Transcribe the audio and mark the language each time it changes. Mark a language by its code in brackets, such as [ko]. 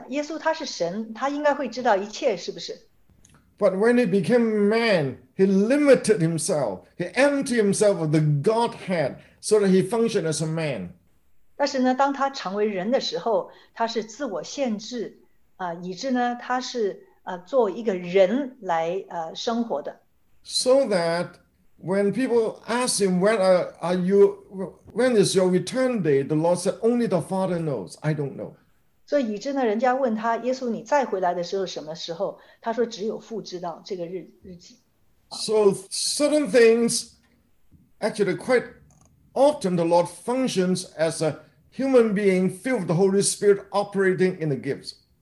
[zh] 我解释一下，大家想耶稣他是神，他应该会知道一切，是不是？ [en] But when he became man, he limited himself. He emptied himself of the Godhead so that he functioned as a man. [zh] 但是呢，当他成为人的时候，他是自我限制，以致呢，他是做一个人来生活的。 [en] So that when people ask him, when is your return day? The Lord said, only the Father knows. I don't know. [zh] 所以以致呢，人家问他耶稣，你再回来的时候什么时候？他说只有父知道这个日期。So [en] certain things, actually, quite often the Lord functions as a human being filled with the Holy Spirit operating in the gifts.